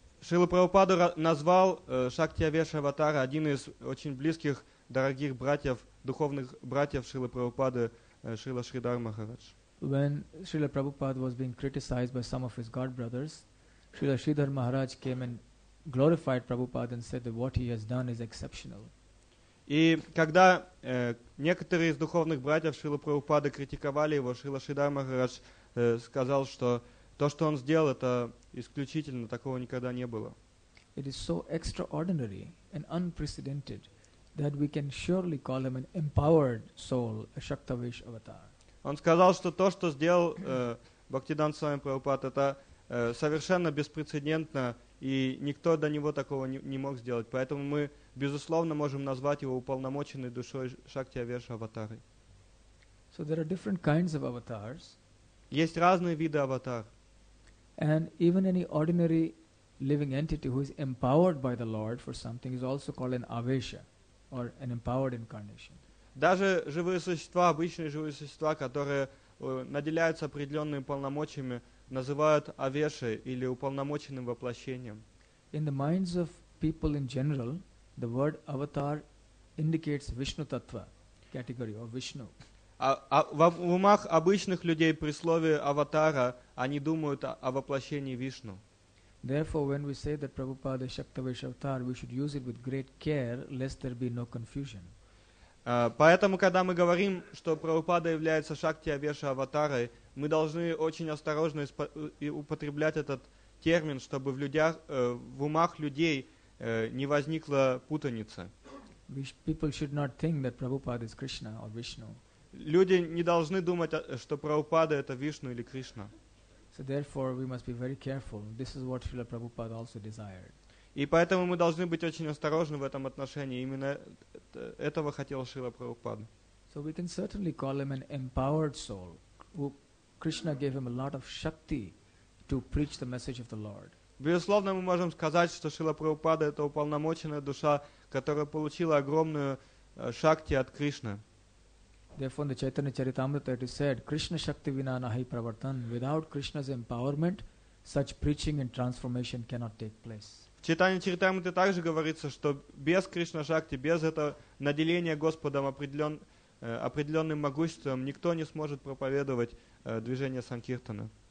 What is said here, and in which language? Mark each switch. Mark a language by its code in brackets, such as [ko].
[ru] Srila Prabhupada назвал Shakti Avesha Avatara один из очень близких, дорогих братьев, духовных братьев Srila Prabhupada, Srila Sridhar Maharaj. [en] When Srila Prabhupada was being criticized by some of his god brothers, Srila Sridhar Maharaj came and glorified Prabhupada and said that what he has done is exceptional. [ru] И когда некоторые из духовных братьев Шрилы Прабхупады критиковали его, Шрила Шридхар Махарадж сказал, что то, что он сделал, это исключительно, такого никогда не было. [en] It is so extraordinary and unprecedented that we can surely call him an empowered soul, a Shaktavish avatar. [ru] Он сказал, что то, что сделал Бхактидан с вами Прабхупад, это совершенно беспрецедентно, и никто до него такого не мог сделать. Поэтому мы, безусловно, можем назвать его уполномоченной душой Шакти Авеша Аватарой. [en] So there are different kinds of avatars. [ru] Есть разные виды аватар. [en] And even any ordinary living entity who is empowered by the Lord for something is also called an Avesha, or an empowered incarnation. [ru] Даже живые существа, обычные живые существа, которые наделяются определенными полномочиями, называют авешей или уполномоченным воплощением. [en] In the minds of people in general, the word avatar indicates Vishnu Tattva category or Vishnu. [ru] В умах обычных людей при слове аватара они думают о воплощении Вишну. [en] Therefore, when we say that Prabhupada is Shaktavish Avatar, we should use it with great care, lest there be no confusion. [ru] Поэтому, когда мы говорим, что Прабхупада является Шакти Авеша Аватарой, мы должны очень осторожно употреблять этот термин, чтобы в умах людей не возникла путаница. [en] People should not think that Prabhupada is Krishna or Vishnu. [ru] Люди не должны думать, что Прабхупада это Вишну или Кришна. [en] So therefore we must be very careful. This is what Srila Prabhupada also desired. [ru] И поэтому мы должны быть очень осторожны в этом отношении. Именно этого хотел Шрила Прабхупада. [en] So we can certainly call him an empowered soul. Krishna gave him a lot of shakti to preach the message of the Lord. [ru] Безусловно, мы можем сказать, что Шрила Прабхупада — это уполномоченная душа, которая получила огромную шакти от Кришны. [en] Therefore, in the Chaitanya Charitamrita, it is said, [sa] Krishna shakti vina nahi pravartan. [en] Without Krishna's empowerment, such preaching and transformation cannot take place. [ru] В читании Чаритамриты также говорится, что без Кришна-шакти, без этого наделения Господом определенным могуществом, никто не сможет проповедовать движение Санкиртана.